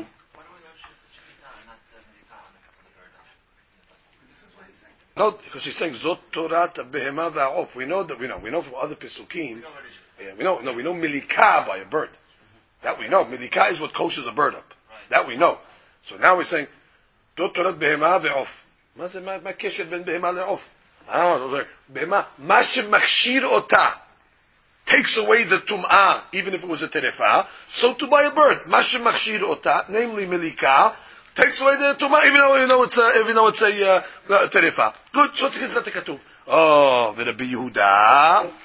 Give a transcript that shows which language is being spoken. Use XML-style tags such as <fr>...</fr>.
<en>Why do we know shechitah, not medika? No, because he's saying</en> <he>zot torat behema va'of.</he> <en>We know from other pesukim. We know medika by a bird. That we know. Medika is what coaches a bird up. Right. That we know. So now we're saying</en> <he>zot torat behema va'of. מה זה, מה קשר בין בהמה לעוף? בהמה, מה שמכשיר אותה</he> <en>takes away the tum'ah, even if it was a terefa, so to buy a bird,</en> <he>מה שמכשיר אותה,</he> <en>namely</en> <he>מליקה,</he> <en>takes away the tum'ah, even though it's a terefa. Good, so it's a כתוב. Oh,</en> <he>ורבי יהודה,</he>